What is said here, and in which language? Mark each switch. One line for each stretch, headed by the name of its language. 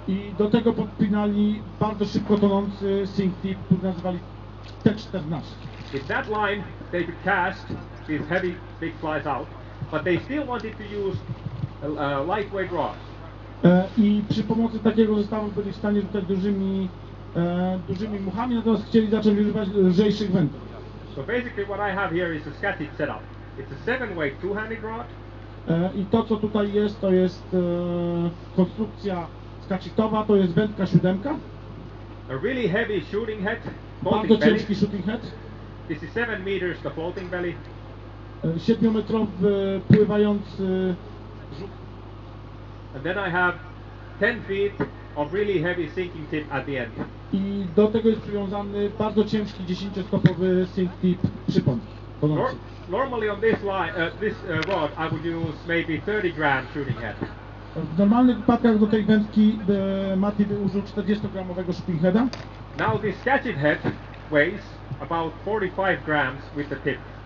Polish: I do tego podpinali bardzo szybko tonący sink tip, który nazywali T14.
English: With that line, they could cast these heavy, big flies out, but they still wanted to use lightweight rods.
Polish: I przy pomocy takiego zestawu byli w stanie rzucać dużymi muchami, natomiast chcieli zacząć używać lżejszych wędrów.
English: So basically what I have here is a scatted setup. It's a 7-weight two-handed rod.
Polish: I to, co tutaj jest, to jest konstrukcja skacitowa, to jest wędka siódemka.
English: A really heavy shooting head,
Polish: bardzo ciężki shooting head.
English: This is 7 meters, the floating belly.
Polish: 7-metrowy pływający rzut.
English: And then I have 10 feet of really heavy sinking tip at the end.
Polish: I do tego jest przywiązany bardzo ciężki 10-stopowy sink tip przypon.
English: Normally on this line, this rod, I would use maybe 30 gram shooting head.
Polish: W normalnych wypadkach do tej wędki Mati by użył 40-gramowego shooting heada.
English: Now this scatchet head weighs about 45 grams with the tip.